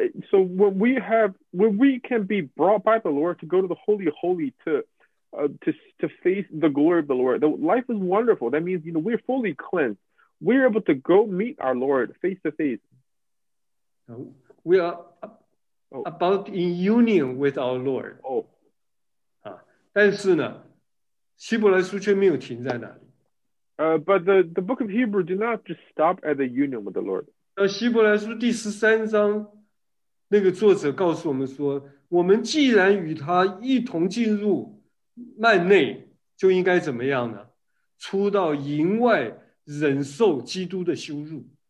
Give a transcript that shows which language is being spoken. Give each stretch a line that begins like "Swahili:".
English: So when we can be brought by the Lord to go to the Holy of Holies to face the glory of the Lord, the life is wonderful. That means, you know, we're fully cleansed. We're able to go meet our Lord face to face. We are about in union with our Lord.
Chinese: 但是呢，希伯来书却没有停在那里。
English: But the book of Hebrews did not just stop at the union with the Lord.
Chinese: 希伯来书第十三章，那个作者告诉我们说，我们既然与他一同进入幔内，就应该怎么样呢？出到营外，忍受基督的羞辱。